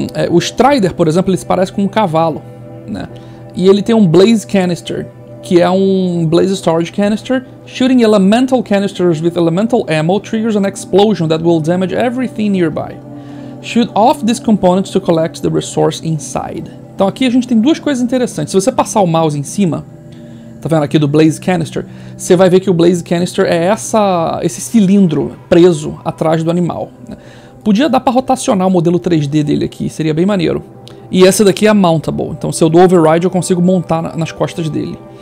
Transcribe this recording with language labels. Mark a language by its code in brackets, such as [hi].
[pt] O Strider, por exemplo, ele se parece com um cavalo, né? E ele tem um Blaze Canister, que é um Blaze Storage Canister. [en] Shooting elemental canisters with elemental ammo triggers an explosion that will damage everything nearby. Shoot off these components to collect the resource inside. [pt] Então aqui a gente tem duas coisas interessantes. Se você passar o mouse em cima, tá vendo aqui do Blaze Canister, você vai ver que o Blaze Canister é esse cilindro preso atrás do animal, né? Podia dar para rotacionar o modelo 3D dele aqui, seria bem maneiro. E essa daqui é a Mountable, então se eu dou override eu consigo montar nas costas dele.